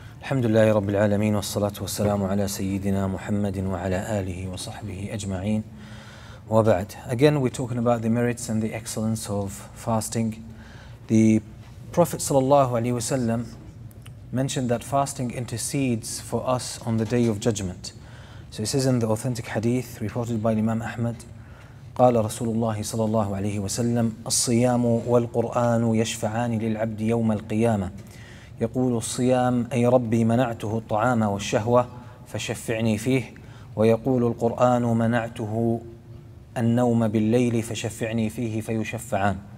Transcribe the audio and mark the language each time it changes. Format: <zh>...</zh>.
<ar>الحمد لله رب العالمين والصلاة والسلام على سيدنا محمد وعلى آله وصحبه أجمعين وبعد.</ar> <en>Again, we're talking about the merits and the excellence of fasting. The Prophet sallallahu alaihi wasallam mentioned that fasting intercedes for us on the day of judgment. So it says in the authentic hadith reported by Imam Ahmad,</en> <ar>قال رسول الله صلى الله عليه وسلم الصيام والقرآن يشفعان للعبد يوم القيامة. يقول الصيام أي ربي منعته الطعام والشهوة فشفعني فيه ويقول القرآن منعته النوم بالليل فشفعني فيه فيشفعان.</ar>